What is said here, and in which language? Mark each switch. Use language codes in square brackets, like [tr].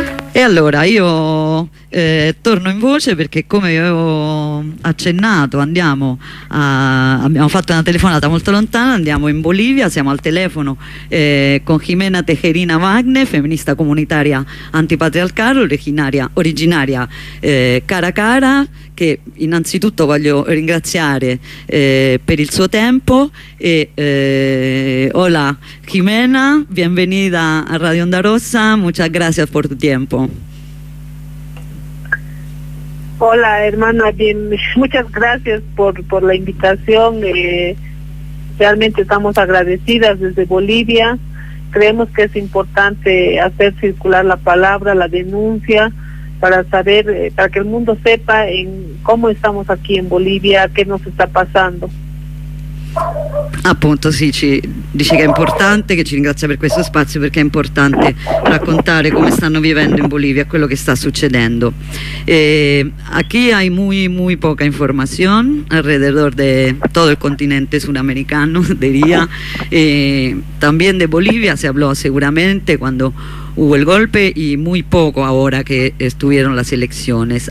[it] E allora io torno in voce perché, come io avevo accennato, abbiamo fatto una telefonata molto lontana, andiamo in Bolivia, siamo al telefono con Ximena Tejerina Magne, femminista comunitaria antipatriarcale, originaria Caracara, che innanzitutto voglio ringraziare per il suo tempo. [es] E hola Ximena, bienvenida a Radio Onda Rossa, muchas gracias por tu tiempo. Hola hermana, bien, muchas gracias por la invitación. Realmente estamos agradecidas desde Bolivia. Creemos que es importante hacer circular la palabra, la denuncia, para saber, para que el mundo sepa en cómo estamos aquí en Bolivia, qué nos está pasando. [it] Appunto, sì, ci dice che è importante, che ci ringrazia per questo spazio, perché è importante raccontare come stanno vivendo in Bolivia, quello che sta succedendo. [es] Aquí hay muy muy poca información alrededor de todo el continente sudamericano, diría, también de Bolivia se habló seguramente cuando hubo el golpe, y muy poco ahora que estuvieron las elecciones.